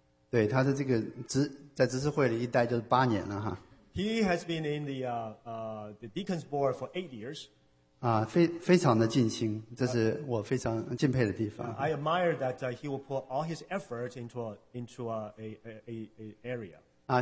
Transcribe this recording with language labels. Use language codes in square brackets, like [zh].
[zh] 对，他的这个在执事会里一待就是八年了哈。 [en] He has been in the deacon's board for 8 years. [zh] 非常的尽心，这是我非常敬佩的地方。 [en] I admire that he will put all his effort into an area.